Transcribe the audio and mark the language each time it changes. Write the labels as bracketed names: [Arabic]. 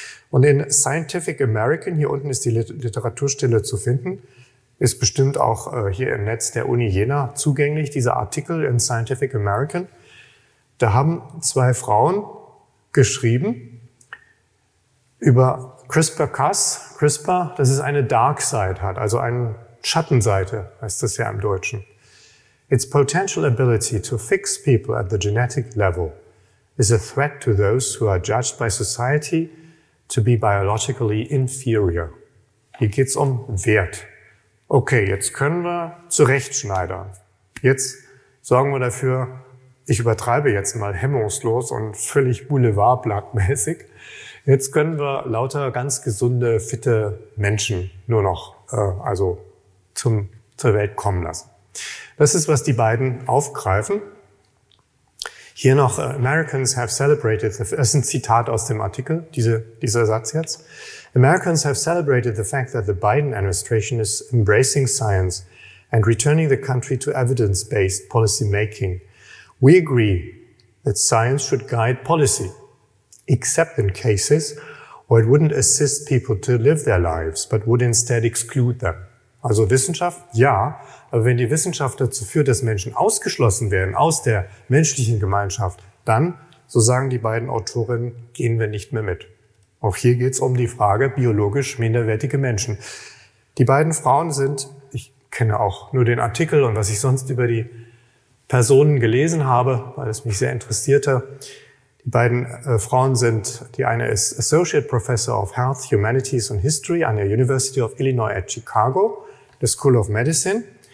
[German] Und in Scientific American, hier unten ist die Literaturstelle zu finden, ist bestimmt auch hier im Netz der Uni Jena zugänglich, dieser Artikel in Scientific American. Da haben 2 Frauen geschrieben über CRISPR-Cas. CRISPR, das ist eine Dark Side, hat also eine Schattenseite, heißt das ja im Deutschen. [English] Its potential ability to fix people at the genetic level is a threat to those who are judged by society to be biologically inferior. [German] Hier geht es um Wert. Okay, jetzt können wir zurechtschneidern. Jetzt sorgen wir dafür, ich übertreibe jetzt mal hemmungslos und völlig boulevardblattmäßig. Jetzt können wir lauter ganz gesunde, fitte Menschen nur noch zur Welt kommen lassen. Das ist, was die beiden aufgreifen. Hier noch, [English] Americans have celebrated, [German] das ist ein Zitat aus dem Artikel, dieser Satz jetzt. [English] Americans have celebrated the fact that the Biden administration is embracing science and returning the country to evidence-based policy making. We agree that science should guide policy, except in cases where it wouldn't assist people to live their lives, but would instead exclude them. [German] Also Wissenschaft, ja, aber wenn die Wissenschaft dazu führt, dass Menschen ausgeschlossen werden aus der menschlichen Gemeinschaft, dann, so sagen die beiden Autorinnen, gehen wir nicht mehr mit. Auch hier geht es um die Frage biologisch minderwertige Menschen. Die beiden Frauen sind, ich kenne auch nur den Artikel und was ich sonst über die Personen gelesen habe, weil es mich sehr interessierte, die beiden Frauen sind, die eine ist Associate Professor of Health, Humanities and History an der University of Illinois at Chicago, the School of Medicine.